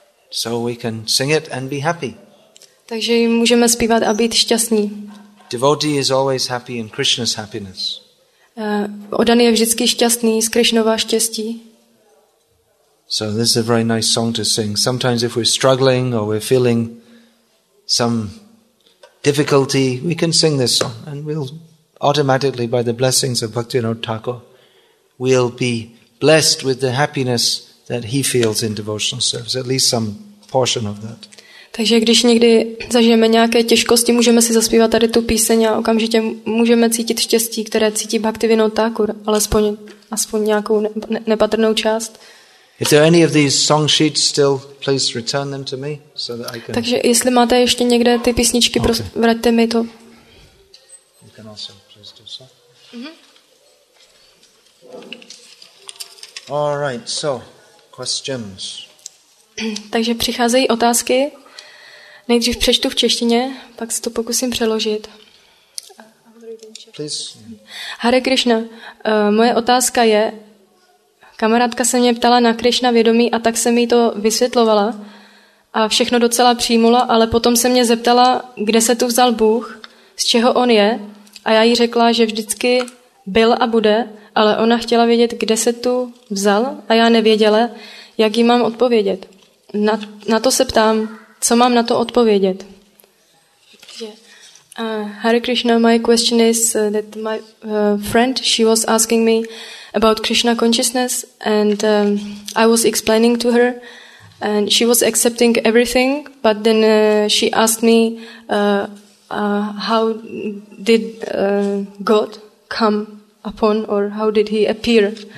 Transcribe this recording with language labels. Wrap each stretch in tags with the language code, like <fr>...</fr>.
<en>So we can sing it and be happy.</en> <cs>Takže můžeme zpívat a být šťastní.</cs> <en>Devotee is always happy in Krishna's happiness.</en> <cs>Oddaný je vždycky šťastný z Krishnova štěstí.</cs> <en>So this is a very nice song to sing. Sometimes if we're struggling or we're feeling some difficulty, we can sing this song and we'll automatically, by the blessings of Bhaktivinoda Thakur, we'll be blessed with the happiness that he feels in devotional service, at least some portion of that.</en> <cs>Takže když někdy zažijeme nějaké těžkosti, můžeme si zaspívat tady tu píseň a okamžitě můžeme cítit štěstí, které cítí Bhaktivinoda Thakur, aspoň nějakou nepatrnou část.</cs> <en>If there are any of these song sheets still, please return them to me so that I can.</en> <cs>Takže jestli máte ještě někde ty písničky, okay. Prosím, vraťte mi to.</cs> <en>You can also please do so. All right, so questions.</en> <cs>Takže přicházejí otázky. Nejdřív přečtu v češtině, pak se to pokusím přeložit.</cs> <en>Please.</en> <cs>Hare Krishna, moje otázka je. Kamarádka se mě ptala na Krishna vědomí a tak jsem jí to vysvětlovala a všechno docela přijmula, ale potom se mě zeptala, kde se tu vzal Bůh, z čeho on je a já jí řekla, že vždycky byl a bude, ale ona chtěla vědět, kde se tu vzal a já nevěděla, jak jí mám odpovědět. Na to se ptám, co mám na to odpovědět.</cs> <en>Hare Krishna, my question is that my friend, she was asking me about Krishna consciousness, and I was explaining to her, and she was accepting everything, but then she asked me, how did God come upon, or how did he appear?</en>